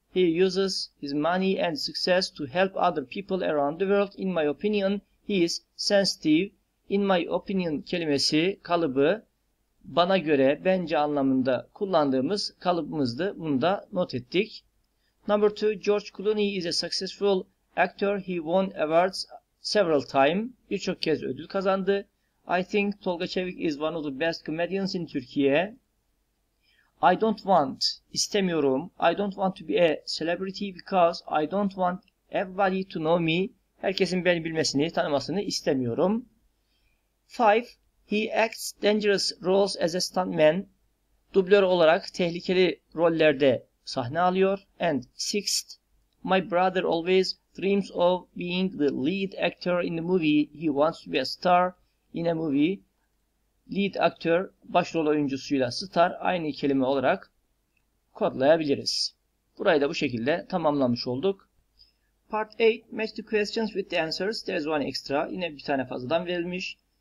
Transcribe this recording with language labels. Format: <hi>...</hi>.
<en>He uses his money and success to help other people around the world. In my opinion, he is sensitive. In my opinion</en> <tr>kelimesi kalıbı bana göre, bence anlamında kullandığımız kalıbımızdı. Bunu da not ettik.</tr> <en>Number 2, George Clooney is a successful actor. He won awards several times.</en> <tr>Birçok kez ödül kazandı.</tr> <en>I think Tolga Çevik is one of the best comedians in Türkiye. I don't want,</en> <tr>istemiyorum.</tr> <en>I don't want to be a celebrity because I don't want everybody to know me.</en> <tr>Herkesin beni bilmesini, tanımasını istemiyorum. 5.</tr> <en>He acts dangerous roles as a stuntman.</en> <tr>Dublör olarak tehlikeli rollerde sahne alıyor.</tr> <en>And 6th, my brother always dreams of being the lead actor in the movie. He wants to be a star in a movie. Lead actor,</en> <tr>başrol oyuncusuyla star, aynı kelime olarak kodlayabiliriz. Burayı da bu şekilde tamamlamış olduk.</tr> <en>Part 8, match the questions with the answers. There's one extra,</en> <tr>yine bir tane fazladan verilmiş.</tr>